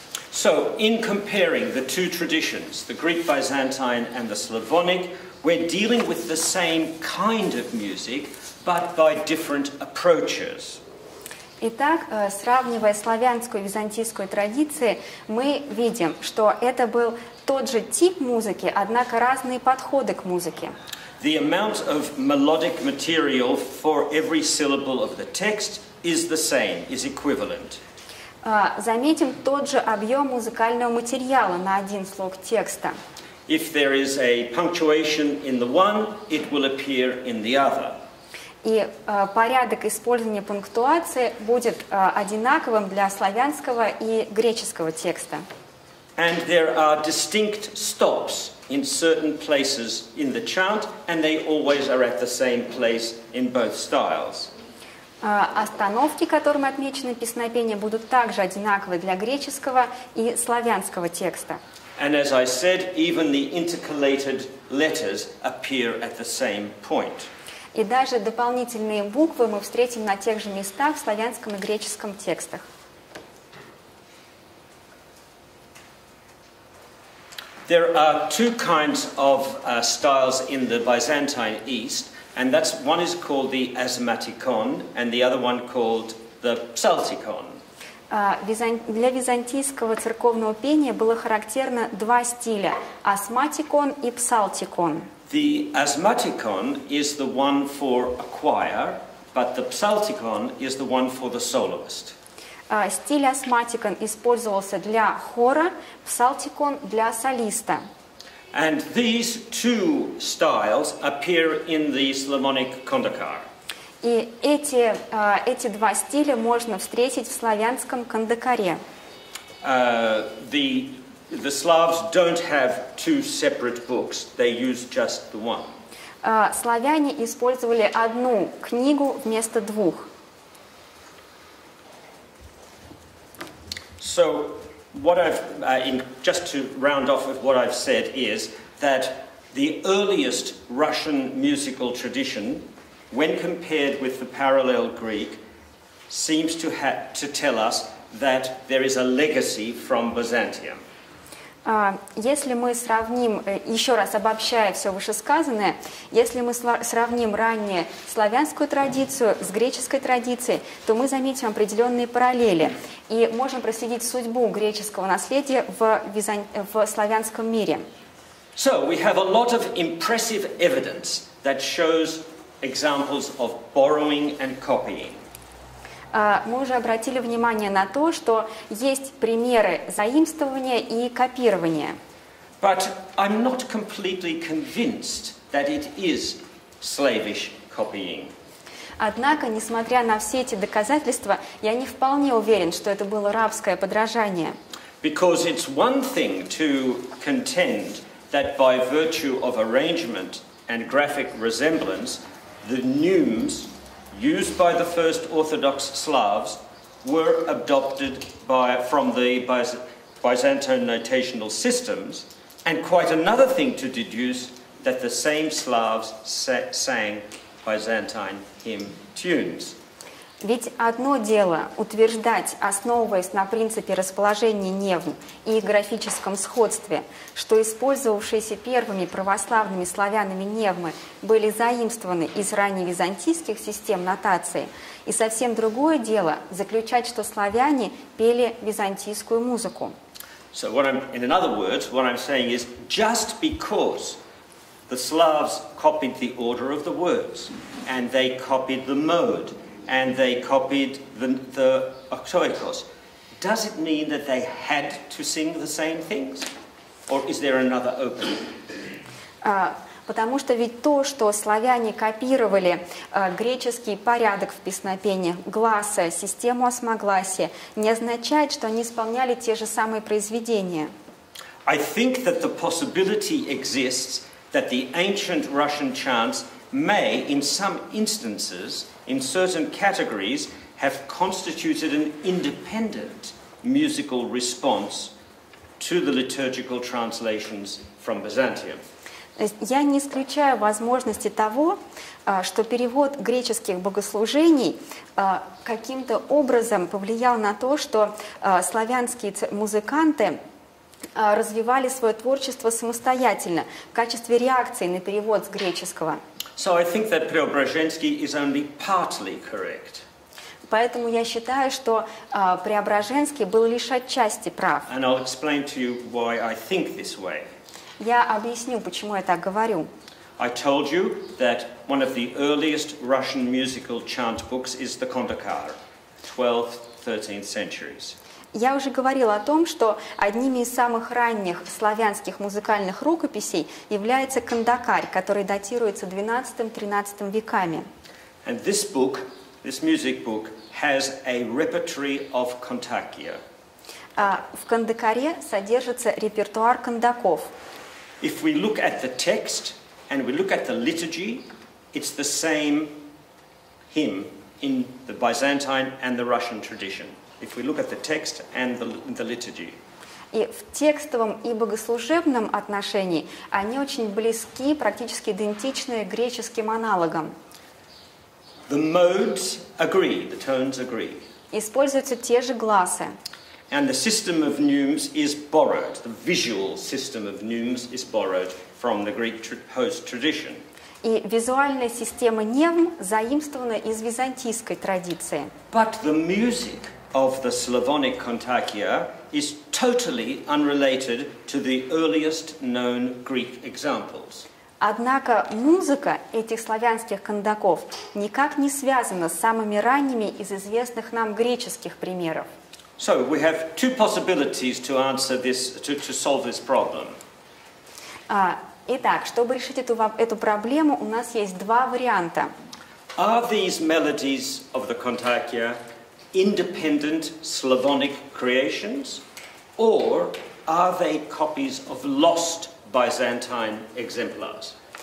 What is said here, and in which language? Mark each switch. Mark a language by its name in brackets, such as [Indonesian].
[English] So, in comparing the two traditions, the Greek Byzantine and the Slavonic, we're dealing with the same kind of music, but by different approaches. [Russian] Итак, сравнивая славянскую и византийскую традиции, мы видим, что это был тот же тип музыки, однако разные подходы к музыке. [English] The amount of melodic material for every syllable of the text is the same, is equivalent. [Russian] Заметим тот же объем музыкального материала на один слог текста. [English] If there is a punctuation in the one, it will appear in the other. [Russian] И порядок использования пунктуации будет одинаковым для славянского и греческого текста. [English] And there are distinct stops in certain places in the chant, and they always are at the same place in both styles. [Russian] Остановки, которыми отмечены песнопения, будут также одинаковы для греческого и славянского текста. [English] And as I said, even the intercalated letters appear at the same point. [Russian] И даже дополнительные буквы мы встретим на тех же местах в славянском и греческом текстах. [English] There are two kinds of styles in the Byzantine East. And that's one is called the Asmaticon, and the other one called the Psalticon. [Russian] Для византийского церковного пения было характерно два стиля: Asmaticon и Psalticon. [English] The Asmaticon is the one for a choir, but the Psalticon is the one for the soloist. [Russian] Стиль Asmaticon использовался для хора, Psalticon для солиста. [English] And these two styles appear in the Slavonic Kondakar. [Russian] И эти два стиля можно встретить в славянском Кондакаре. [English] The Slavs don't have two separate books; they use just the one. [Russian] Славяне использовали одну книгу вместо двух. [English] So. What I've in just to round off with what I've said is that the earliest Russian musical tradition, when compared with the parallel Greek, seems to have to tell us that there is a legacy from Byzantium. [Russian] Если мы сравним, еще раз обобщая все вышесказанное, если мы сравним раннюю славянскую традицию с греческой традицией, то мы заметим определенные параллели и можем проследить судьбу греческого наследия в славянском мире. [English] So, we have a lot of impressive evidence that shows examples of borrowing and copying. [Russian] Мы уже обратили внимание на то, что есть примеры заимствования и копирования. [English] But I'm not completely convinced that it is slavish copying. [Russian] Однако, несмотря на все эти доказательства, я не вполне уверен, что это было рабское подражание. [English] Because it's one thing to contend that by virtue of arrangement and graphic resemblance, the neumes used by the first Orthodox Slavs were adopted from the Byzantine notational systems, and quite another thing to deduce that the same Slavs sang Byzantine hymn tunes. [Russian] Ведь одно дело утверждать, основываясь на принципе расположения невм и их графическом сходстве, что использовавшиеся первыми православными славянами невмы были заимствованы из ранневизантийских систем нотации, и совсем другое дело заключать, что славяне пели византийскую музыку. [English] So what I'm, in other words, what I'm saying is, just because the Slavs copied the order of the words, and they copied the mode, and they copied the octoikos, does it mean that they had to sing the same things? Or is there another opening? [Russian] Потому что ведь то, что славяне копировали греческий порядок в песнопениях, гласы, систему осмогласия, не означает, что они исполняли те же самые произведения. [English] I think that the possibility exists that the ancient Russian chants may, in some instances, in certain categories, have constituted an independent musical response to the liturgical translations from Byzantium. [Russian] Я не исключаю возможности того, что перевод греческих богослужений каким-то образом повлиял на то, что славянские музыканты развивали свое творчество самостоятельно в качестве реакции на перевод с греческого. [English] So I think that Преображенский is only partly correct. [Russian] Поэтому я считаю, что Преображенский был лишь отчасти прав. [English] And I'll explain to you why I think this way. [Russian] Я объясню, почему я так говорю. [English] I told you that one of the earliest Russian musical chant books is the Kondokar, 12th, 13th centuries. [Russian] Я уже говорила о том, что одними из самых ранних славянских музыкальных рукописей является Кондокарь, который датируется 12-13 веками. [English] And this book, this music book, has a repertory of kondakia. [Russian] В Кондокаре содержится репертуар кондаков. [English] If we look at the text and we look at the liturgy, it's the same hymn in the Byzantine and the Russian tradition. If we look at the text and the liturgy. [Russian] И в текстовом и богослужебном отношении они очень близки, практически идентичны греческим аналогам. [English] The modes agree, the tones agree. [Russian] Используются те же гласы. [English] And the system of neumes is borrowed, the visual system of neumes is borrowed from the Greek host tradition. [Russian] И визуальная система невм заимствована из византийской традиции. [English] But the music of the Slavonic kondakia is totally unrelated to the earliest known Greek examples. [Russian] Однако музыка этих славянских кондаков никак не связана с самыми ранними из известных нам греческих примеров. [English] So we have two possibilities to answer this, to solve this problem. [Russian] Итак, чтобы решить эту проблему, у нас есть два варианта. [English] Are these melodies of the kondakia independent Slavonic creations, or are they copies of lost Byzantine exemplars?